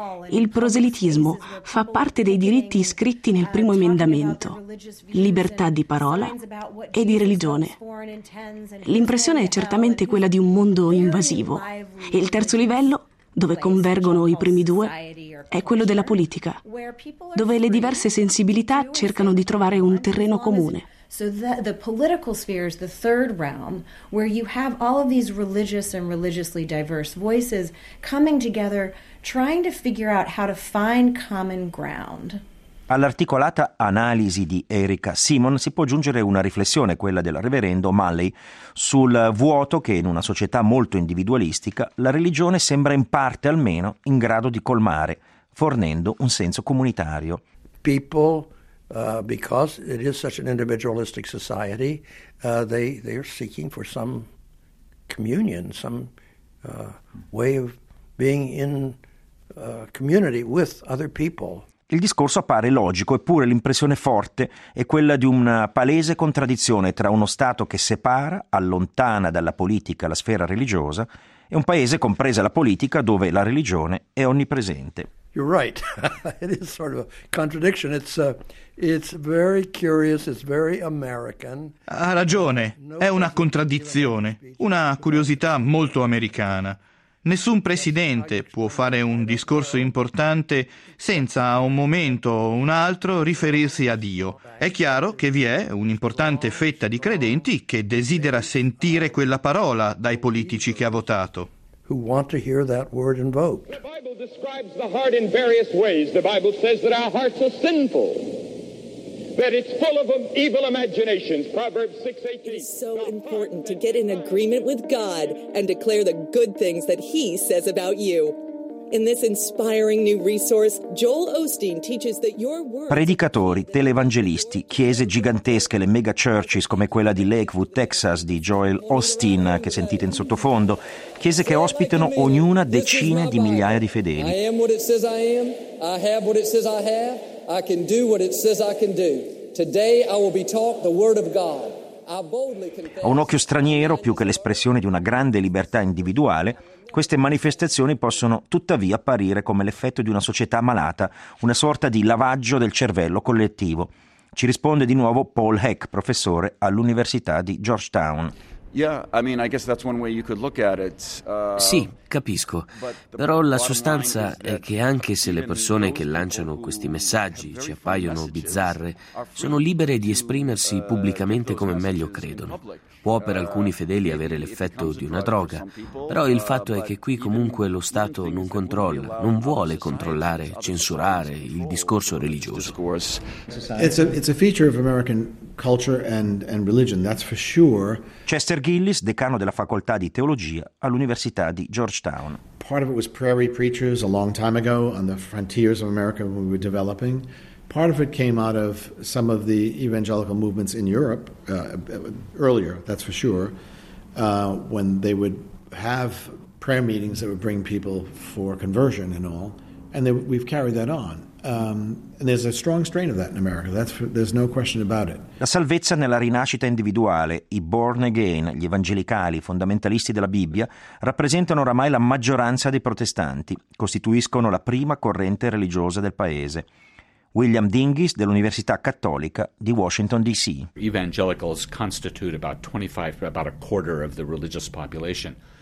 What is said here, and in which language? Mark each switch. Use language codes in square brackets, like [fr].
[it] Il proselitismo fa parte dei diritti iscritti nel primo emendamento, libertà di parola e di religione. L'impressione è certamente quella di un mondo invasivo. E il terzo livello, dove convergono i primi due, è quello della politica, dove le diverse sensibilità cercano di trovare un terreno comune. [en] So the political sphere is the third realm, where you have all of these religious and religiously diverse voices coming together, trying to figure out how to find common ground. [it] All'articolata analisi di Erica Simon si può aggiungere una riflessione, quella del reverendo Malley, sul vuoto che in una società molto individualistica la religione sembra in parte almeno in grado di colmare, fornendo un senso comunitario. [en] People. Because it is such an individualistic society, they are seeking for some communion, some way of being in community with other people. [it] Il discorso appare logico, eppure l'impressione forte è quella di una palese contraddizione tra uno Stato che separa, allontana dalla politica la sfera religiosa, e un paese, compresa la politica, dove la religione è onnipresente. [en] You're right. It is sort of a contradiction. It's very curious. It's very American. [it] Ha ragione. È una contraddizione, una curiosità molto americana. Nessun presidente può fare un discorso importante senza a un momento o un altro riferirsi a Dio. È chiaro che vi è un'importante fetta di credenti che desidera sentire quella parola dai politici che ha votato. [en] Who want to hear that word invoked. The Bible describes the heart in various ways. The Bible says that our hearts are sinful, that it's full of evil imaginations. Proverbs 6:18. It's so important to get in agreement with God and declare the good things that He says about you. In this inspiring new resource, Joel Osteen teaches that your words. [it] Predicatori, televangelisti, chiese gigantesche, le mega churches come quella di Lakewood, Texas, di Joel Osteen, che sentite in sottofondo, chiese che ospitano ognuna decine di migliaia di fedeli. [en] I am what it says I am. I have what it says I have. I can do what it says I can do. Today I will be taught the word of God. [it] A un occhio straniero, più che l'espressione di una grande libertà individuale, queste manifestazioni possono tuttavia apparire come l'effetto di una società malata, una sorta di lavaggio del cervello collettivo. Ci risponde di nuovo Paul Heck, professore all'Università di Georgetown. Sì, capisco. Però la sostanza è che anche se le persone che lanciano questi messaggi ci appaiono bizzarre, sono libere di esprimersi pubblicamente come meglio credono. Può per alcuni fedeli avere l'effetto di una droga, però il fatto è che qui comunque lo Stato non controlla, non vuole controllare, censurare il discorso religioso. [en] It's a feature of American culture and religion, that's for sure. [it] Chester Gillis, decano della facoltà di teologia all'Università di Georgetown. [en] Part of it was prairie preachers a long time ago on the frontiers of America when we were developing. Part of it came out of some of the evangelical movements in Europe earlier, that's for sure, when they would have prayer meetings that would bring people for conversion and all, and they, we've carried that on. And there's a strong strain of that in America. There's no question about it. [it] La salvezza nella rinascita individuale, i born again, gli evangelicali, i fondamentalisti della Bibbia, rappresentano oramai la maggioranza dei protestanti, costituiscono la prima corrente religiosa del paese. William Dinghis dell'Università Cattolica di Washington DC. [en] Evangelicals constitute about a quarter of the religious population.